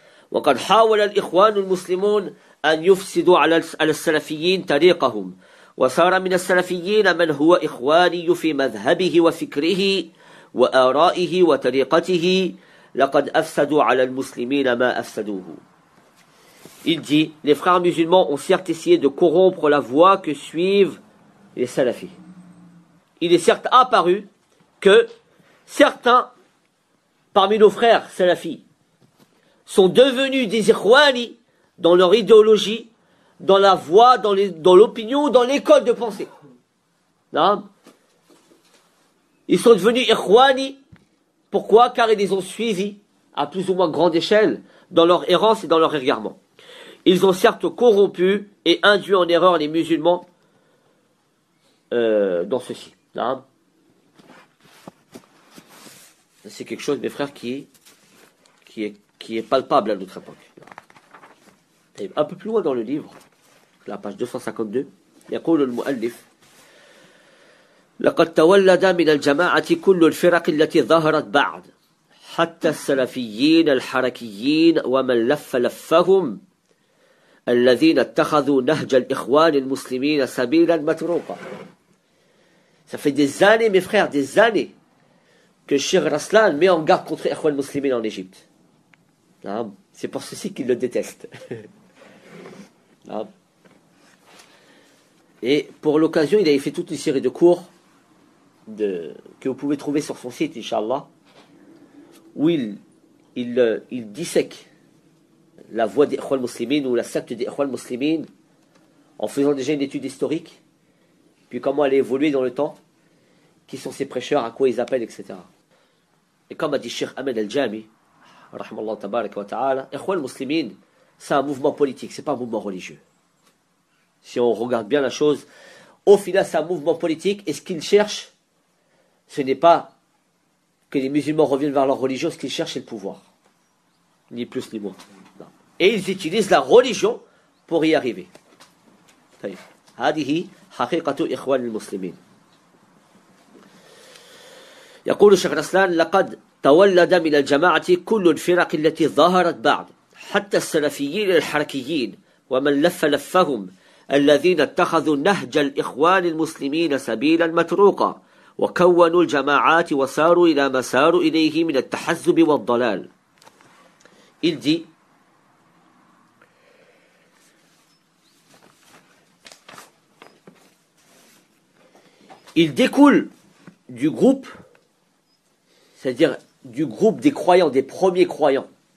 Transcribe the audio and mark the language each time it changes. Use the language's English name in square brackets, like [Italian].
[Arabic] وقد حاول الإخوان المسلمون أن يفسدوا على السلفيين طريقهم وصار من السلفيين من هو إخواني في مذهبه وفكره وآرائه وطريقته لقد أفسدوا على المسلمين ما أفسدوه. [French] Il dit, les frères musulmans ont certes essayé de corrompre la voie que suivent les salafis. Il est certes apparu que certains parmi nos frères salafis sont devenus des ikhwani dans leur idéologie, dans la voie, dans l'opinion, dans l'école de pensée. Non? Ils sont devenus ikhwani. Pourquoi? Car ils les ont suivis à plus ou moins grande échelle dans leur errance et dans leur égarement. Ils ont certes corrompu et induit en erreur les musulmans dans ceci. Non? C'est quelque chose, mes frères, qui est palpable à notre époque. Et un peu plus loin dans le livre, la page 252. [Arabic] يقول المؤلف لقد تولد من الجماعة كل الفرق التي ظهرت بعد حتى السلفيين الحركيين ومن لف لفهم الذين اتخذوا نهج الإخوان المسلمين سبيلا متروكا. [French] Ça fait des années, mes frères, des années que Cheikh Raslan met en garde contre Ikhwan Muslimin en Égypte. C'est pour ceci qu'il le déteste. Et pour l'occasion, il avait fait toute une série de cours de, que vous pouvez trouver sur son site, Inch'Allah, où il dissèque la voie d'Ikhwan Muslimin ou la secte d'Ikhwan Muslimin en faisant déjà une étude historique, puis comment elle a évolué dans le temps, qui sont ces prêcheurs, à quoi ils appellent, etc. Et comme a dit Cheikh Ahmed Al-Jami, Rahmallah Tabarak wa Ta'ala, Ikhwan Muslimin, c'est un mouvement politique, c'est pas un mouvement religieux. Si on regarde bien la chose, au final, c'est un mouvement politique, et ce qu'ils cherchent, ce n'est pas que les musulmans reviennent vers leur religion, ce qu'ils cherchent, c'est le pouvoir. Ni plus, ni moins. Non. Et ils utilisent la religion pour y arriver. [Arabic] هذه حقيقة إخوان المسلمين. يقول الشيخ رسلان لقد تولد من الجماعة كل الفرق التي ظهرت بعد حتى السلفيين الحركيين ومن لف لفهم الذين اتخذوا نهج الإخوان المسلمين سبيلا متروقا وكونوا الجماعات وساروا إلى ما ساروا إليه من التحزب والضلال. [French] Il dit il découle du groupe, c'est-à-dire du groupe des croyants, des premiers croyants.